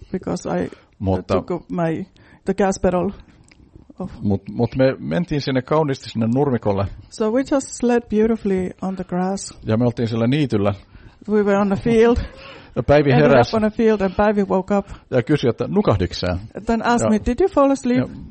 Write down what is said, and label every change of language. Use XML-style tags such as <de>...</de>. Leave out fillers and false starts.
<en>Because I took my the gas pedal off.</en> <fi>Mut me mentiin sinne kauniisti sinne nurmikolle.</fi> <en>So we just slid beautifully on the grass.</en> <fi>Ja me oltiin siellä niityllä.</fi> <en>We were on the field.</en> <fi>Ja Päivi heräsi.</fi> <en>On the field and Päivi woke up.</en> <fi>Ja kysyi, että nukahdiksä?</fi> <en>And then asked me, did you fall asleep?</en>